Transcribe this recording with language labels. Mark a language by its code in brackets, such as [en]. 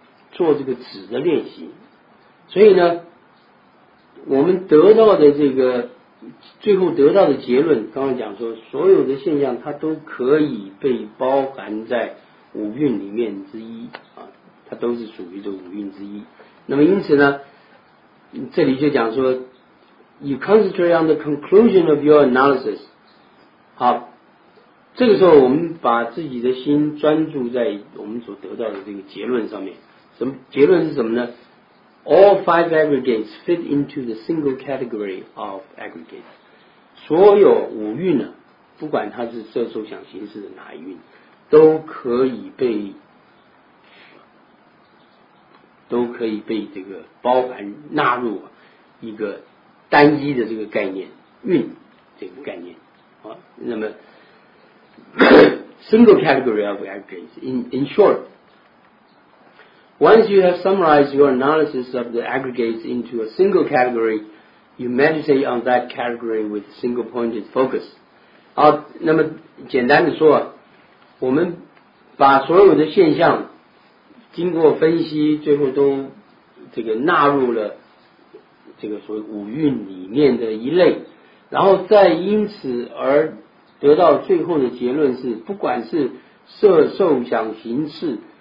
[zh] 做这个止的练习，所以呢，我们得到的这个最后得到的结论，刚刚讲说，所有的现象它都可以被包含在五蕴里面之一啊，它都是属于这五蕴之一。那么因此呢，这里就讲说 [en] ，you concentrate on the conclusion of your analysis。 [zh] 好，这个时候我们把自己的心专注在我们所得到的这个结论上面。什么结论是什么呢？ [en] All five aggregates fit into the single category of aggregates. [zh] 所有五蕴呢，不管它是色受想行识的哪一蕴，都可以被这个包含纳入一个单一的这个概念，蕴这个概念。好，那么 [en] single category of aggregates. In short,Once you have summarized your analysis of the aggregates into a single category, you meditate on that category with single-pointed focus. [zh] 好，那么简单的说，我们把所有的现象经过分析，最后都这个纳入了这个所谓五蕴里面的一类，然后再因此而得到最后的结论是，不管是色、受、想、行、识。